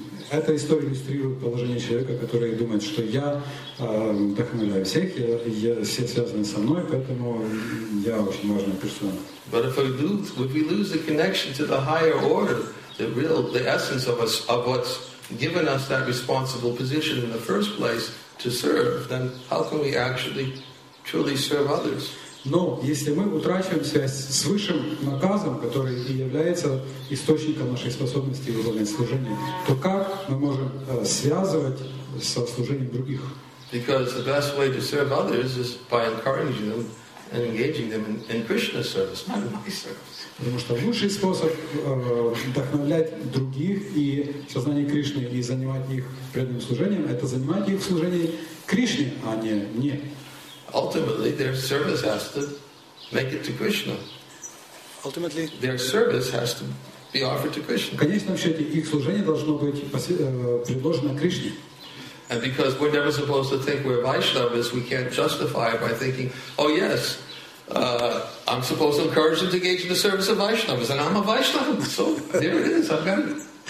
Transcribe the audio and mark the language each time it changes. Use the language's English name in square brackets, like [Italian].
[Russian] Эта история иллюстрирует положение человека, который думает, что я вдохновляю всех, я все связаны со мной, поэтому я очень важная персона. [English] But if we lose the connection to the higher order, the essence of us, of what's given us that responsible position in the first place to serve, then how can we actually truly serve others? [Russian] Но если мы утрачиваем связь с высшим наказом, который и является источником нашей способности выполнять служение, то как мы можем связывать со служением других? [English] Because the best way to serve others is by encouraging them and engaging them in Krishna's service, not in my service. [Russian] Потому что лучший способ вдохновлять других и сознание Кришны и занимать их преданным служением — это занимать их в служении Кришне, а не мне. [English] Ultimately, their service has to make it to Krishna. Ultimately, their service has to be offered to Krishna. [Russian] В конечном счете, их служение должно быть предложено Кришне. [English] And because we're never supposed to think we're Vaishnavas, we can't justify it by thinking, oh yes, I'm supposed to encourage them to engage in the service of Vaishnavas, and I'm a Vaishnava, so there it is, I've got it.